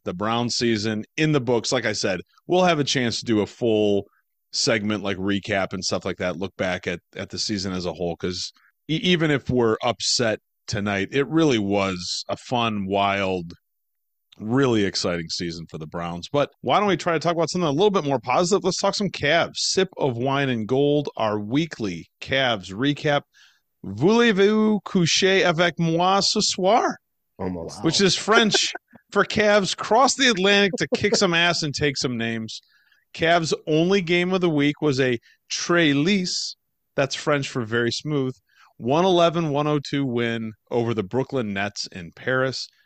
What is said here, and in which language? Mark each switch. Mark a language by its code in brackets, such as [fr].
[en] The Browns season in the books. Like I said, we'll have a chance to do a full segment like recap and stuff like that. Look back at the season as a whole, because even if we're upset tonight, it really was a fun, wild, really exciting season for the Browns. But why don't we try to talk about something a little bit more positive? Let's talk some Cavs. Sip of Wine and Gold, our weekly Cavs recap. [fr] Voulez-vous coucher avec moi ce soir? [en] Almost. Wow. Which is French for Cavs. Cross the Atlantic to kick some ass and take some names. Cavs' only game of the week was a trailisse. That's French for very smooth. 111-102 win over the Brooklyn Nets in Paris.